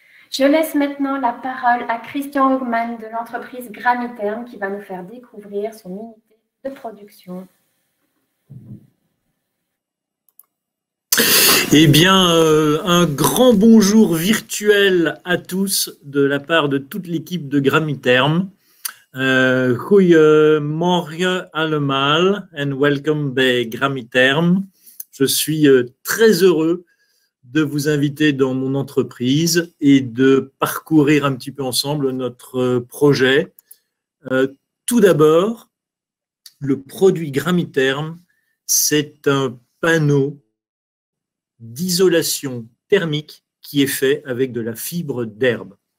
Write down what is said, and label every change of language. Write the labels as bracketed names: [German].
[French] Je laisse maintenant la parole à Christian Hogman de l'entreprise Gramiterm qui va nous faire découvrir son unité de production. Eh bien, un grand bonjour virtuel à tous de la part de toute l'équipe de Gramiterm. [Dutch] Goeie morgen allemaal [English] and welcome [Dutch] bij Gramiterm. [French] Je suis très heureux de vous inviter dans mon entreprise et de parcourir un petit peu ensemble notre projet. Tout d'abord, le produit Gramiterm, c'est un panneau d'isolation thermique qui est fait avec de la fibre d'herbe.